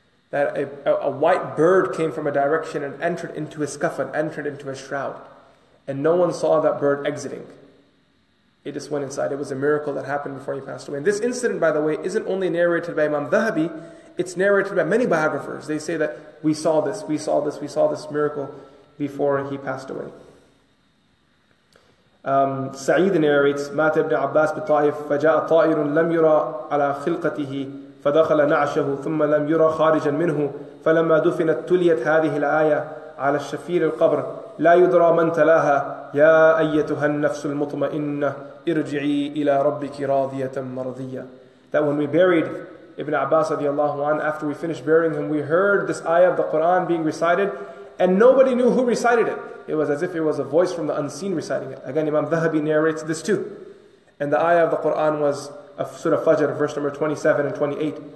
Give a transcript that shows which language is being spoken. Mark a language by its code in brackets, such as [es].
[en] That a white bird came from a direction and entered into his coffin, entered into his shroud. And no one saw that bird exiting. He just went inside. It was a miracle that happened before he passed away. And this incident, by the way, isn't only narrated by Imam Dhahabi, it's narrated by many biographers. They say that we saw this miracle before he passed away. Sa'id narrates, [ar] مات ابن عباس بطائف فجاء طائر لم يرى على خلقته فدخل نعشه ثم لم يرى خارجا منه فلما دفنت تليت هذه الآية على الشفير القبر لا يدرى من تلاها يا أيتها النفس المطمئنة ارجعي إلى ربك راضية مرضية. [en] That when we buried Ibn Abbas radiallahu anhu, after we finished burying him, we heard this ayah of the Quran being recited, and nobody knew who recited it. It was as if it was a voice from the unseen reciting it. Again, Imam Dhahabi narrates this too. And the ayah of the Quran was of Surah Fajr, verse number 27 and 28.